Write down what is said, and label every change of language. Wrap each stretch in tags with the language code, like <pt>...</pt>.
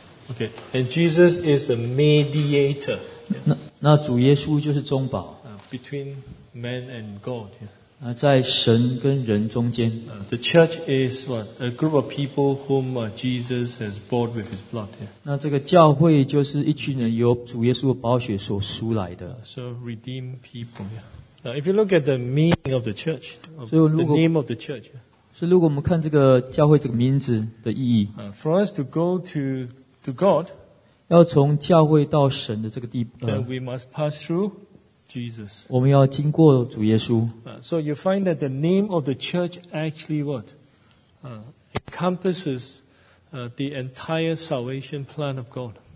<en>Okay, and Jesus is the mediator.</en> <zh>那主耶稣就是中保。</zh> <en>Between man and God.</en> <zh>在神跟人中间。</zh> <en>The church is what? A group of people whom Jesus has bought with his blood.</en> <zh>那这个教会就是一群人由主耶稣的宝血所赎来的。</zh> <en>So redeem people. Now, if you look at the meaning of the church, the name of the church.</en> <zh>所以如果我们看这个教会这个名字的意义。</zh> <en>For us to go to God,</en> <zh>要从教会到神的这个地步。</zh> <en>Then we must pass through Jesus.</en> <zh>我们要经过主耶稣。</zh> <en>So you find that the name of the church actually what? Encompasses the entire salvation plan of God.</en>